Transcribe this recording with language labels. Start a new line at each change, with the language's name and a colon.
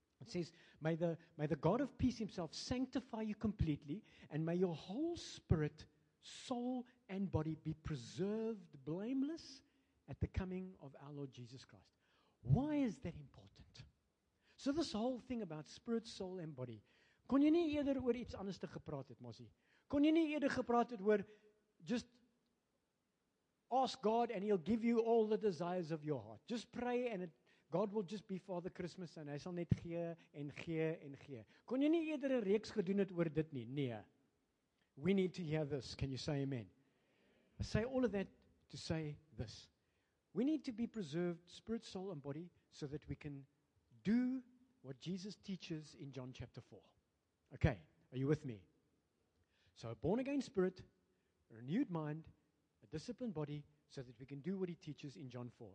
English: It says, may the God of peace himself sanctify you completely, and may your whole spirit, soul, and body be preserved blameless at the coming of our Lord Jesus Christ. Why is that important? So this whole thing about spirit, soul, and body.
Afrikaans: Kon jy nie eerder oor iets anders te gepraat het, Mossie? Kon jy nie eerder gepraat het oor
English: just ask God and he'll give you all the desires of your heart. Just pray and God will just be Father Christmas and
Afrikaans: hy sal net gee en gee
English: en gee.
Afrikaans: Kon jy nie eerder 'n reeks gedoen het oor dit nie?
English: Nee. We need to hear this. Can you say amen? I say all of that to say this. We need to be preserved, spirit, soul, and body, so that we can do what Jesus teaches in John chapter 4. Okay, are you with me? So a born-again spirit, a renewed mind, a disciplined body, so that we can do what he teaches in John 4.